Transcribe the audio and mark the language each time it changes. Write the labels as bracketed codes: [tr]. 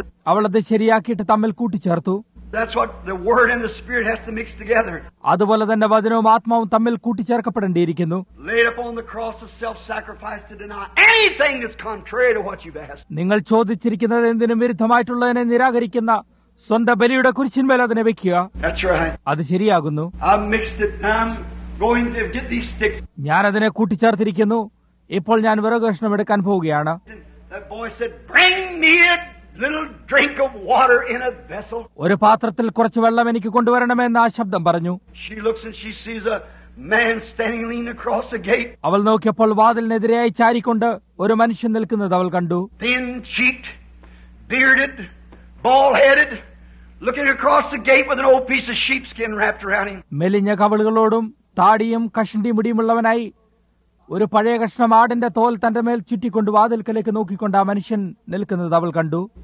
[ml] അവൾ അത് ശരിയാക്കിയിട്ട് തമ്മിൽ കൂട്ടിച്ചേർത്തു. [en] That's what the word and the spirit has to mix together. [ml] അതുപോലെ തന്നെ വചനവും ആത്മാവും തമ്മിൽ കൂട്ടിച്ചേർക്കപ്പെടേണ്ടിയിരിക്കുന്നു. [en] Laid upon the cross of self-sacrifice to deny anything is contrary to what you've asked. [ml] നിങ്ങൾ ചോദിച്ചിരിക്കുന്നത് എന്തിനും വിരുദ്ധമായിട്ടുള്ളതിനെ നിരാകരിക്കുന്ന സ്വന്തം ബലിയുടെ കുരിശിന്മേൽ അതിനെ വെക്കുക. [en] That's right. [ml] അത് ശരിയാകുന്നു. [en] I've mixed it. I'm going to get these sticks. [ml] ഞാൻ അതിനെ കൂട്ടിച്ചേർത്തിരിക്കുന്നു. ഇപ്പോൾ ഞാൻ വിറക് കഷ്ണം എടുക്കാൻ പോവുകയാണ്. [en] That boy said, "Bring me a little drink of water in a vessel." [ml] ഒരു പാത്രത്തിൽ കുറച്ച് വെള്ളം എനിക്ക് കൊണ്ടുവരണമെന്ന് ആ ശബ്ദം പറഞ്ഞു. [en] She looks and she sees a man standing leaning across the gate. [ml] അവൾ നോക്കിയപ്പോൾ വാതിലിനെതിരായി ചാരിക്കൊണ്ട് ഒരു മനുഷ്യൻ നിൽക്കുന്നത് അവൾ കണ്ടു. [en] Thin-cheeked, bearded, bald-headed, looking across the gate with an old piece of sheepskin wrapped around him. [ml] മെലിഞ്ഞ കവളുകളോടും താടിയും കഷണ്ടി മുടിയുമുള്ളവനായി ഒരു പഴയ കഷ്ണം ആടിന്റെ തോൽ തന്റെ മേൽ ചുറ്റിക്കൊണ്ട് വാതിൽക്കലേക്ക് നോക്കിക്കൊണ്ട് ആ മനുഷ്യൻ നിൽക്കുന്നത് അവൾ കണ്ടു.